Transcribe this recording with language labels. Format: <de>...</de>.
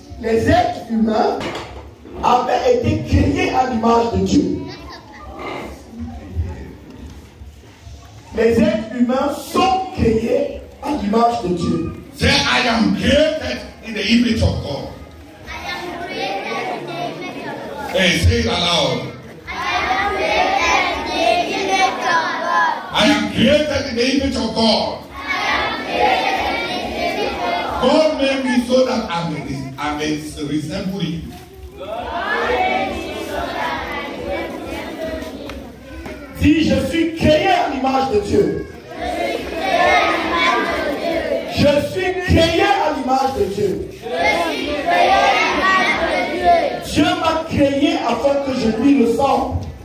<fr>Les êtres humains avaient été créés à l'image de Dieu. Les êtres humains sont créés à l'image de Dieu.</fr> <en>Say, I am created in the image of God. I am created in the image of God. Hey, say it aloud. I am created in the image of God. I am created in the image of God. I am created in the image of God. God made me so that I may resemble you.</en> <fr>Si je suis créé à l'image de Dieu. Je suis créé à l'image de Dieu. Je suis créé à l'image de Dieu. Je suis créé à l'image de Dieu. Dieu m'a créé afin que je lui ressemble.</fr>